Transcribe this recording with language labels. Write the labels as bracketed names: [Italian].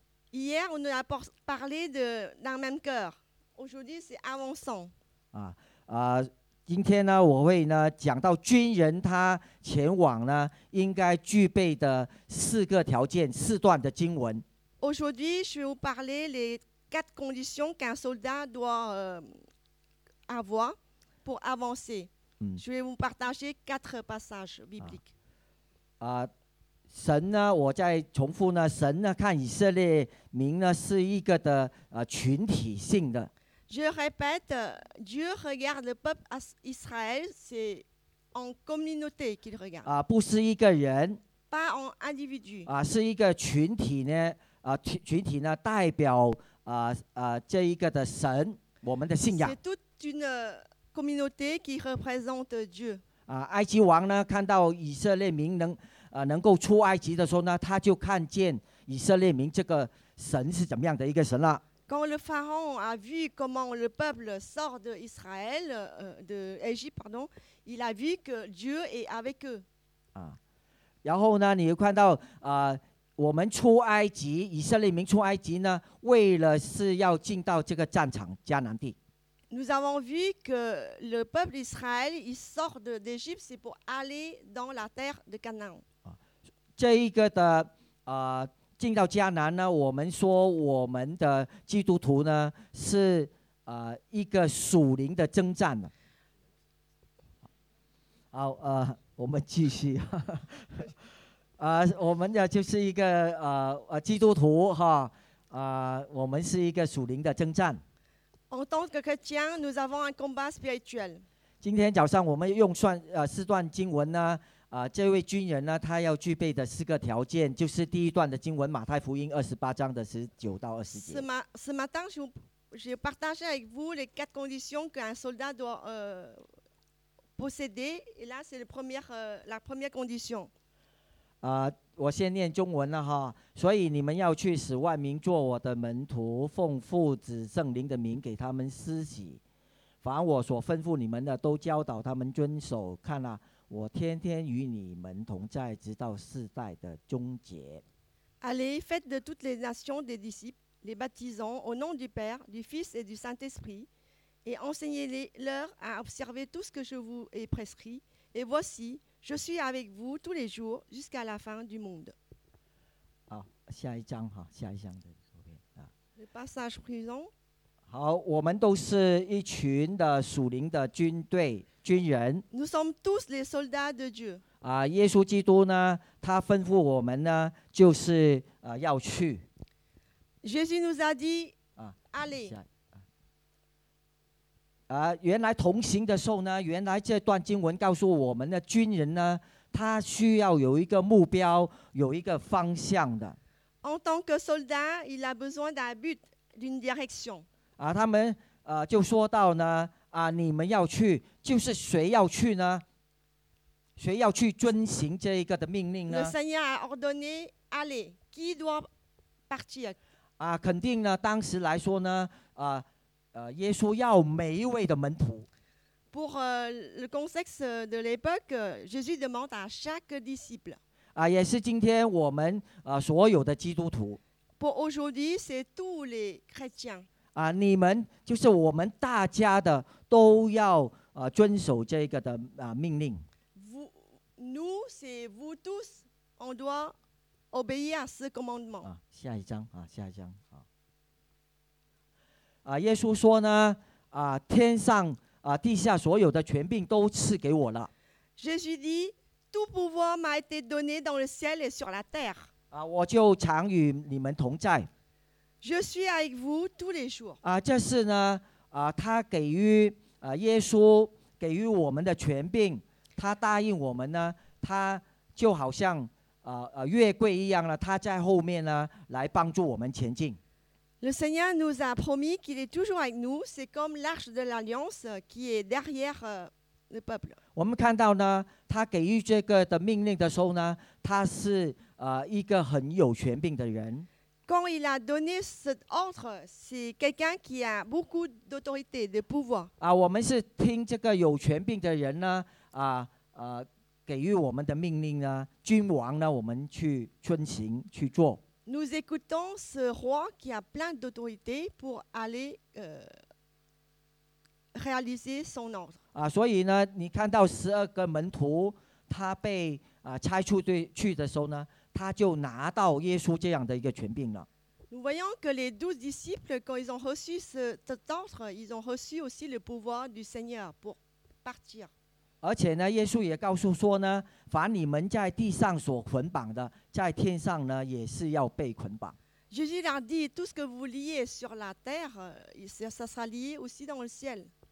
[French] Hier, on a parlé de d'un même cœur. Aujourd'hui, c'est avançons. [Chinese] 啊，今天呢，我会呢讲到军人他前往呢应该具备的四个条件，四段的经文。 [French] Aujourd'hui, je vais vous parler les quatre conditions qu'un soldat doit avoir pour avancer. Je vais vous partager quatre passages bibliques. [Chinese] 神呢，我再重复呢，神呢看以色列民呢是一个的群体性的。 [French] Je répète, Dieu regarde le peuple Israël, c'est en communauté qu'il regarde. [Chinese] 啊，不是一个人。 [French] Pas en individu. [Chinese] 啊，是一个群体呢。啊，群体呢代表这一个的神，我们的信仰。 [French] C'est toute une communauté qui représente Dieu. [Chinese] 啊，埃及王呢看到以色列民能够出埃及的时候呢，他就看见以色列民这个神是怎么样的一个神了。 [French] Quand le pharaon a vu comment le peuple sort de Israël, de Égypte, pardon, il a vu que Dieu est avec eux. [Chinese] 啊，然后呢，你看到我们出埃及，以色列民出埃及呢，为了是要进到这个战场迦南地。 [French] Nous avons vu que le peuple d'Israël il sort d'Égypte c'est pour aller dans la terre de Canaan. [Chinese] 啊，这一个的进到迦南呢，我们说我们的基督徒呢是一个属灵的征战。好，我们继续。我们的就是一个基督徒哈，我们是一个属灵的征战。 [French] En tant que chrétien, nous avons un combat spirituel. [Chinese] 今天早上我们用四段经文呢。这位军人呢，他要具备的四个条件，就是第一段的经文，马太福音二十八章的十九到二十节。 [French] Ce matin, je partage avec vous les quatre conditions qu'un soldat doit posséder. Et là, c'est la première condition. [Chinese] 我先念中文了哈。所以你们要去使万民做我的门徒，奉父子圣灵的名给他们施洗。凡我所吩咐你们的都教导他们遵守，看啊，我天天与你们同在，直到世代的终结。 [French] Allez, faites de toutes les nations des disciples, les baptisant au nom du Père, du Fils et du Saint-Esprit, et enseignez-leur à observer tout ce que je vous ai prescrit. Et voici, je suis avec vous tous les jours jusqu'à la fin du monde. [Chinese] 好，下一章哈，下一章的图片啊。 [French] Le passage suivant. [Chinese] 好，我们都是一群的属灵的军队军人。 [French] Nous sommes tous les soldats de Dieu. [Chinese] 啊，耶稣基督呢，他吩咐我们呢，就是啊要去。 [French] Jésus nous a dit. 啊 ，Allez. [Chinese] 啊，原来同行的时候呢，原来这段经文告诉我们的军人呢。他需要有一个目标，有一个方向的。 [French] En tant que soldat, il a besoin d'un but, d'une direction. [Chinese] 啊，他们就说到呢，啊，你们要去，就是谁要去呢？谁要去遵行这一个的命令呢 [French] ？Le Seigneur a ordonné, allez, qui doit partir? [Chinese] 啊，肯定呢，当时来说呢，耶稣要每一位的门徒。 [French] Pour le contexte de l'époque, Jésus demande à chaque disciple. [Chinese] 啊，也是今天我们所有的基督徒。 [French] Pour aujourd'hui, c'est tous les chrétiens. [Chinese] 啊，你们就是我们大家的都要遵守这个的命令。 [French] Vous, nous, c'est vous tous, on doit obéir à ce commandement. [Chinese] 啊，下一章啊，下一章啊。啊，耶稣说呢，啊，天上。啊，地下所有的权柄都赐给我了。 [French] Jésus dit, tout pouvoir m'a été donné dans le ciel et sur la terre. [Chinese] 啊，我就常与你们同在。 [French] Je suis avec vous tous les jours. [Chinese] 啊，这是呢，啊，他给予啊耶稣给予我们的权柄，他答应我们呢，他就好像月桂一样了，他在后面呢来帮助我们前进。 [French] Le Seigneur nous a promis qu'il est toujours avec nous. C'est comme l'arche de l'alliance qui est derrière le peuple. [Chinese] 我们看到呢，他给予这个的命令的时候呢，他是一个很有权柄的人。 [French] Quand il a donné cet ordre, c'est quelqu'un qui a beaucoup d'autorité, de pouvoir. [Chinese] 啊，我们是听这个有权柄的人呢，给予我们的命令呢，君王呢，我们去遵行去做。 [French] Nous écoutons ce roi qui a plein d'autorité pour aller réaliser son ordre. [Chinese] 啊，所以呢，你看到十二个门徒他被差出去的时候呢，他就拿到耶稣这样的一个权柄了。 [French] Nous voyons que les douze disciples, quand ils ont reçu cet ordre, ils ont reçu aussi le pouvoir du Seigneur pour partir. [Chinese] 而且呢，耶稣也告诉说呢。凡你们在地上所捆绑的，在天上呢也是要被捆绑。 [French] Jésus leur dit tout ce que vous liez sur la terre, ça sera lié aussi dans le ciel.